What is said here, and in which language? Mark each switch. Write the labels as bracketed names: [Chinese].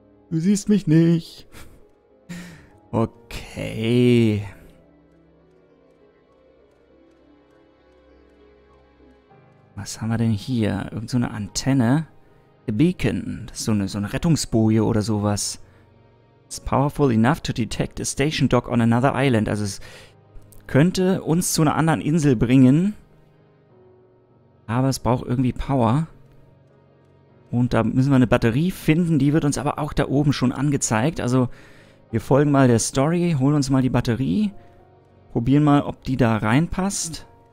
[German] Du siehst mich nicht. Okay. Was haben wir denn hier? Irgend so eine Antenne. [English] A Beacon. [German] Das ist so eine Rettungsboje oder sowas. [English] It's powerful enough to detect a station dock on another island. [German] Also es könnte uns zu einer anderen Insel bringen. Aber es braucht irgendwie Power. Und da müssen wir eine Batterie finden. Die wird uns aber auch da oben schon angezeigt. Also wir folgen mal der Story. Holen uns mal die Batterie. Probieren mal, ob die da reinpasst.